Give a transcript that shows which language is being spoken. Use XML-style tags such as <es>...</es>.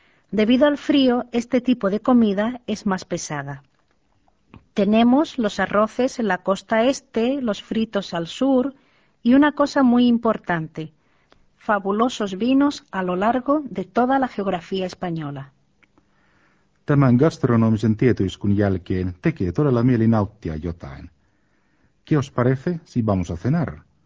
<es>Debido al frío, este tipo de comida es más pesada. Tenemos los arroces en la costa este, los fritos al sur y una cosa muy importante, fabulosos vinos a lo largo de toda la geografía española.</es> <fi>Tämän gastronomisen tietoiskun jälkeen tekee todella mieli nauttia jotain.</fi> <es>¿Qué os parece si vamos a cenar?</es>